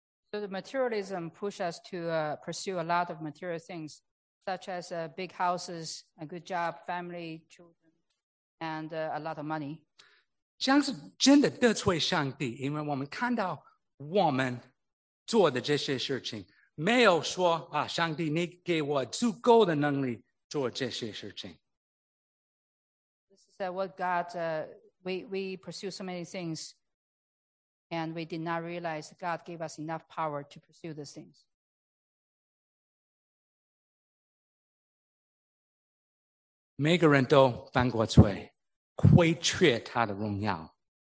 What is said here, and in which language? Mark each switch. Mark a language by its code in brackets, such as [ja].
[en] So the materialism pushes us to pursue a lot of material things, such as big houses, a good job, family, children, and a lot of money. [zh] 这样是真的得罪上帝，因为我们看到我们做的这些事情，没有说啊，上帝，你给我足够的能力做这些事情。 [en] This is what God, we pursue so many things, and we did not realize God gave us enough power to pursue these things. [zh] 每个人都犯过罪，亏缺他的荣耀。